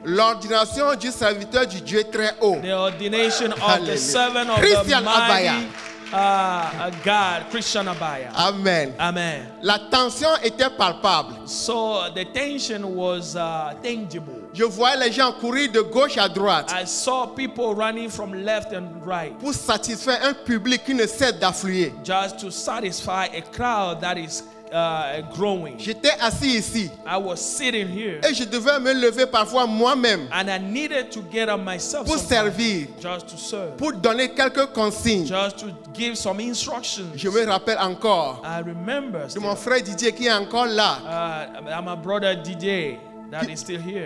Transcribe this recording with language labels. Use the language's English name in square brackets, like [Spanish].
[French] L'ordination du serviteur du Dieu très haut. [English] The ordination of the servant of Christian the mighty. God, Christian Abaya. Amen. Amen. [French] La tension était palpable. [English] So the tension was tangible. [French] Je voyais les gens courir de gauche à droite. [English] I saw people running from left and right. [French] Pour satisfaire un public qui ne cesse d'affluer. [English] Just to satisfy a crowd that is growing. [French] J'étais assis ici. [English] I was sitting here. [French] Et je devais me lever parfois moi-même. [English] And I needed to get up myself. [French] Pour servir. [English] Just to serve. [French] Pour donner quelques consignes. [English] Just to give some instructions. [French] Je me rappelle encore. [English] I remember. [French] De mon frère Didier qui est encore là. [English] My brother Didier that is still here.